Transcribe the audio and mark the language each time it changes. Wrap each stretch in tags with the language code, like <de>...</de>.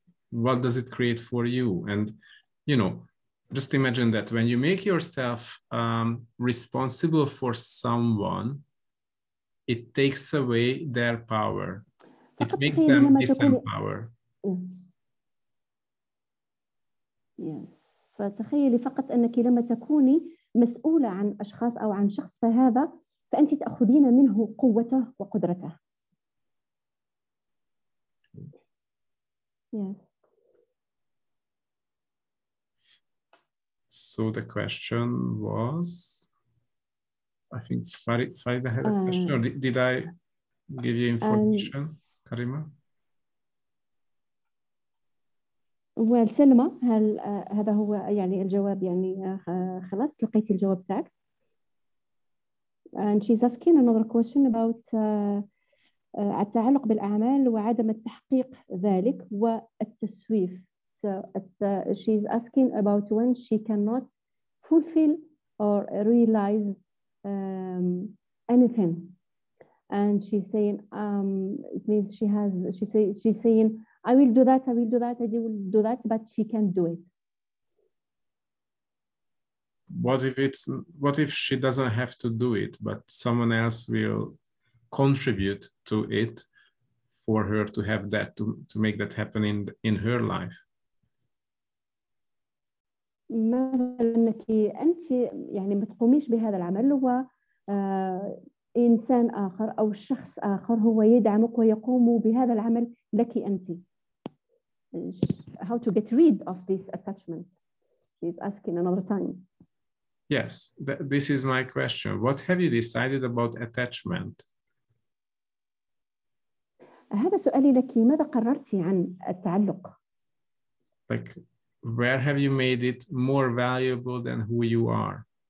<en>What does it create for you? And you know, just imagine that when you make yourself responsible for someone, it takes away their power. It makes them disempower.</en> <ar>Yes. فتخيلي فقط أنك لما تكوني مسؤولة عن أشخاص أو عن شخص فهذا فأنت تأخذين منه قوته وقدرته.</ar> <en>Yeah. So the question was, I think Farida had a question, or did I give you information, Karima?</en> <ar>Well, سلمى, هل هذا هو يعني الجواب يعني خلاص لقيت الجواب تاعك؟</ar> <en>And she's asking another question about</en> <ar>التعلق بالأعمال وعدم التحقيق ذلك والتسويف.</ar> <en>She's asking about when she cannot fulfill or realize anything, and she's saying it means she has. She's saying I will do that, but she can't do it. What if she doesn't have to do it, but someone else will contribute to it for her to have that to make that happen in her life?</en> <ar>مثلا انك انت يعني ما تقوميش بهذا العمل هو انسان اخر او شخص اخر هو يدعمك ويقوم بهذا العمل لك انت.</ar> <en>How to get rid of this attachment? She's asking another time. Yes, this is my question. What have you decided about attachment?</en> <ar>هذا سؤالي لك، ماذا قررتي عن التعلق؟</ar> <en>Like, where have you made it more valuable than who you are?</en>